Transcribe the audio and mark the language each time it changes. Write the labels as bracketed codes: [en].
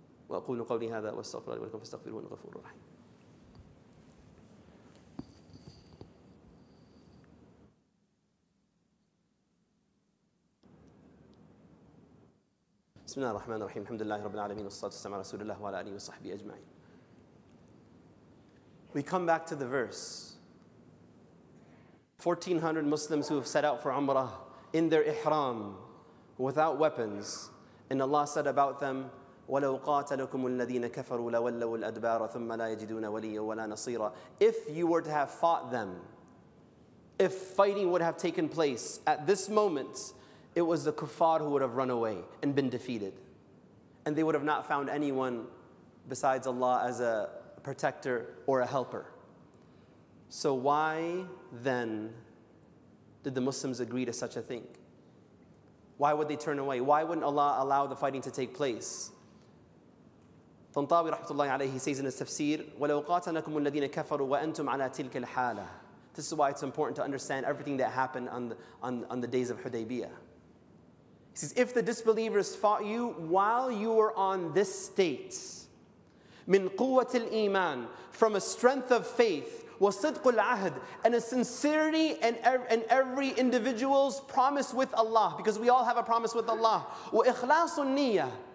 [ar] وأقول قولي هذا واستغفر الله ولكم فاستغفروه إنه غفور رحيم. بسم الله الرحمن الرحيم الحمد لله رب العالمين والصلاة والسلام على رسول الله وعلى آله وصحبه أجمعين. [en] We come back to the verse. 1400 Muslims who have set out for Umrah in their ihram without weapons, and Allah said about them, [ar] وَلَوْ قَاتَلَكُمُ الَّذِينَ كَفَرُوا لَوَلَّوُ الْأَدْبَارَ ثُمَّ لَا يَجِدُونَ وَلِيًّا وَلَا نَصِيرًا. [en] If you were to have fought them, if fighting would have taken place at this moment, it was the kuffar who would have run away and been defeated. And they would have not found anyone besides Allah as a protector or a helper. So why then did the Muslims agree to such a thing? Why would they turn away? Why wouldn't Allah allow the fighting to take place? Tantawi rahmatullahi alayhi says in his tafsir, [ar] وَلَوْ قَاتَلَكُمُ الَّذِينَ كَفَرُوا وَأَنْتُمْ عَلَىٰ تِلْكَ الْحَالَةِ. [en] This is why it's important to understand everything that happened on the days of Hudaybiyah. He says, if the disbelievers fought you while you were on this state, [ar] مِنْ قُوَّةِ الْإِيمَانِ, [en] from a strength of faith, [ar] وَصِدْقُ الْعَهْدِ, [en] and a sincerity in every individual's promise with Allah, because we all have a promise with Allah, [ar] وَإِخْلَاصُ النِّيَّةِ,